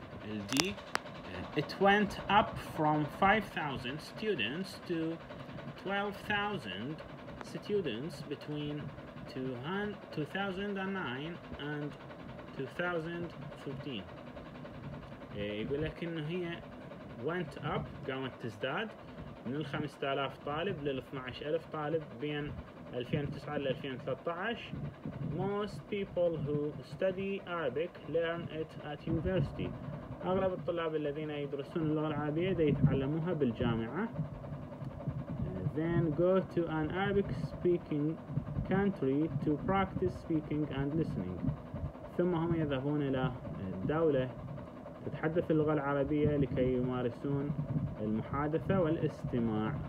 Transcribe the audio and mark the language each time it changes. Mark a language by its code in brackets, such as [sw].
[en] ال D It went up from 5,000 students to 12,000 students between 2009 and 2015. [ar] يقول لك إنه هي [en] went up [ar] قامت تزداد من 5,000 طالب لل 12,000 طالب بين 2009 ل 2013. [en] Most people who study Arabic learn it at university. [ar] أغلب الطلاب الذين يدرسون اللغة العربية دا يتعلموها بالجامعة [en] then go to an Arabic speaking country to practice speaking and listening. [ar] ثم هم يذهبون إلى دولة تتحدث اللغة العربية لكي يمارسون المحادثة والاستماع.